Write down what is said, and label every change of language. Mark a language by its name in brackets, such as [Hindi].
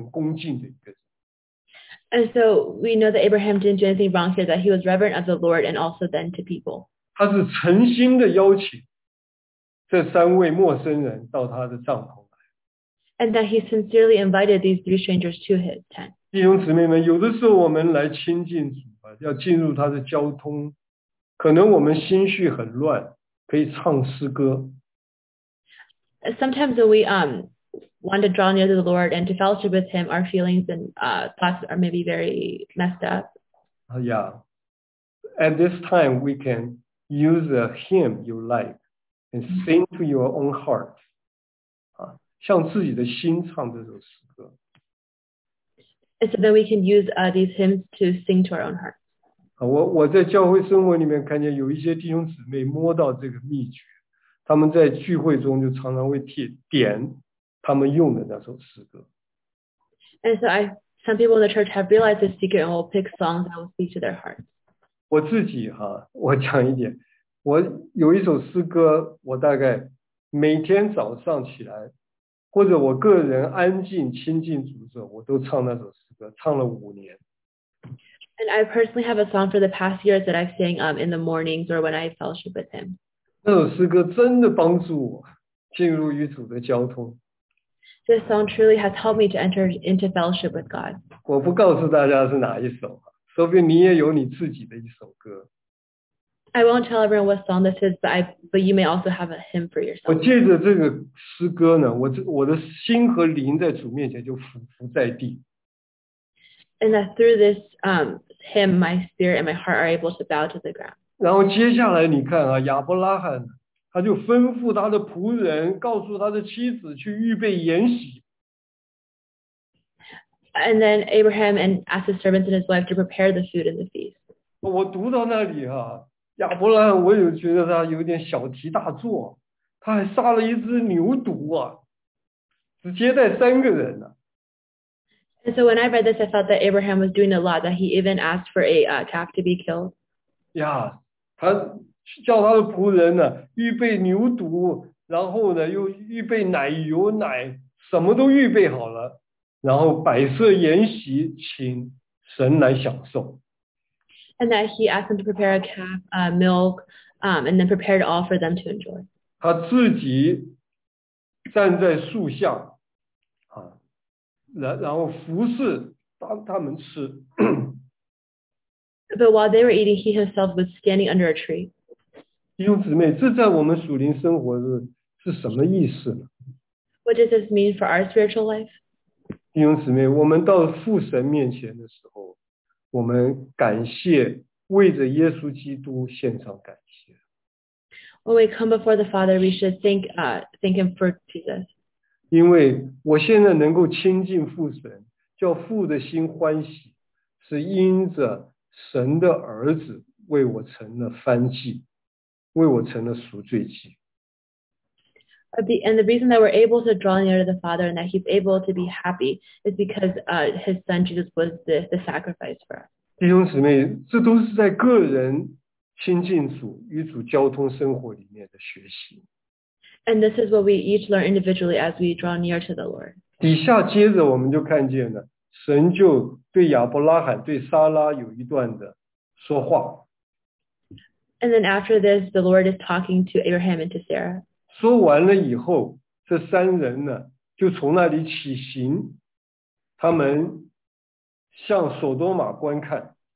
[Chinese] 我们想亚伯拉罕在这里一点都没有做作，他是一个敬畏神，所以他对人也很恭敬的一个人。 [English] And so we know that Abraham didn't do anything wrong here, that he was reverent of the Lord and also then to people. [Chinese] 他是诚心的邀请这三位陌生人到他的帐篷来。 [English] And that he sincerely invited these three strangers to his tent. [Chinese] 弟兄姊妹们，有的时候我们来亲近主啊，要进入他的交通，可能我们心绪很乱，可以唱诗歌。 [English] sometimes when we want to draw near to the Lord and to fellowship with Him, our feelings and thoughts are maybe very messed up. Yeah. At this time, we can use a hymn you like and sing to your own heart. [Chinese] 向自己的心唱这首诗歌。 [English] And so that we can use these hymns to sing to our own hearts. [Chinese] 我在教会生活里面看见有一些弟兄姊妹摸到这个秘诀，他们在聚会中就常常会点他们用的那首诗歌。 [English] And so some people in the church have realized this secret and will pick songs that will speak to their hearts. [Chinese] 我自己哈，我讲一点，我有一首诗歌，我大概每天早上起来，或者我个人安静亲近主的时候，我都唱那首诗歌，唱了五年。 [English] And I personally have a song for the past years that I've sang in the mornings or when I fellowship with Him. [Chinese] 那首诗歌真的帮助我进入与主的交通。 [English] This song truly has helped me to enter into fellowship with God. [Chinese] 我不告诉大家是哪一首，说不定你也有你自己的一首歌。 [English] I won't tell everyone what song this is, but you may also have a hymn for yourself. [Chinese] 我借着这个诗歌呢，我的心和灵在主面前就伏在地。 [English] And that through this hymn, my spirit and my heart are able to bow to the ground. [Chinese] 然后接下来你看啊，亚伯拉罕他就吩咐他的仆人，告诉他的妻子去预备筵席。 [English] And then Abraham and asked his servants and his wife to prepare the food and the feast. [Chinese] 我读到那里啊，亚伯拉罕我有觉得他有点小题大做，他还杀了一只牛犊啊，只接待三个人呢。 [English] And so when I read this, I thought that Abraham was doing a lot, that he even asked for a calf to be killed. Yeah, [Chinese] 他叫他的仆人呢，预备牛犊，然后呢又预备奶油奶，什么都预备好了，然后摆设筵席，请神来享受。 [English] And that he asked them to prepare a calf, milk, and then prepared all for them to enjoy. [Chinese] 他自己站在树下。然后服侍当他们吃。 [English] But while they were eating, he himself was standing under a tree. [Chinese] 弟兄姊妹，这在我们属灵生活是什么意思呢？ [English] What does this mean for our spiritual life? [Chinese] 弟兄姊妹，我们到父神面前的时候，我们感谢，为着耶稣基督献上感谢。 [English] When we come before the Father, we should thank him for Jesus. [Chinese] 因为我现在能够亲近父神，叫父的心欢喜，是因着神的儿子为我成了燔祭，为我成了赎罪祭。 [English] And the reason that we're able to draw near to the Father and that He's able to be happy is because His Son Jesus was the sacrifice for us. [Chinese] 弟兄姊妹，这都是在个人亲近主、与主交通生活里面的学习。 [English] And this is what we each learn individually as we draw near to the Lord. [Chinese] 底下接着我们就看见了，神就对亚伯拉罕、对撒拉有一段的说话。 [English] And then after this, the Lord is talking to Abraham and to Sarah. [Chinese] 说完了以后，这三人呢，就从那里起行，他们向索多玛观看。